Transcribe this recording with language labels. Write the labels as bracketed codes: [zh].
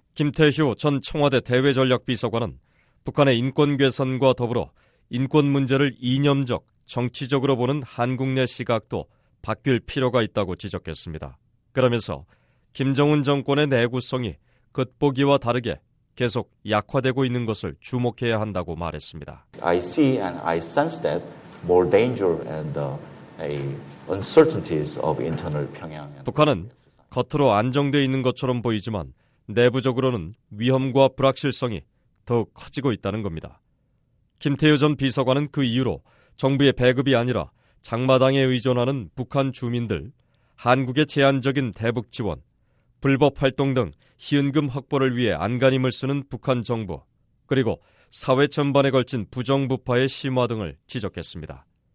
[ko] 김태효 전 청와대 대외전략비서관은 북한의 인권 개선과 더불어 인권 문제를 이념적, 정치적으로 보는 한국 내 시각도 바뀔 필요가 있다고 지적했습니다. 그러면서 김정은 정권의 내구성이 겉보기와 다르게 계속 약화되고 있는 것을 주목해야 한다고 말했습니다. [en] I see and I sense that more danger and uncertainties of internal Pyongyang. [ko] 북한은 겉으로 안정되어 있는 것처럼 보이지만 내부적으로는 위험과 불확실성이 더욱 커지고 있다는 겁니다. 김태효 전 비서관은 그 이유로 정부의 배급이 아니라 장마당에 의존하는 북한 주민들, 한국의 제한적인 대북 지원, 불법 활동 등 희은금 확보를 위해 안간힘을 쓰는 북한 정부, 그리고 사회 전반에 걸친 부정부파의 심화 등을 지적했습니다.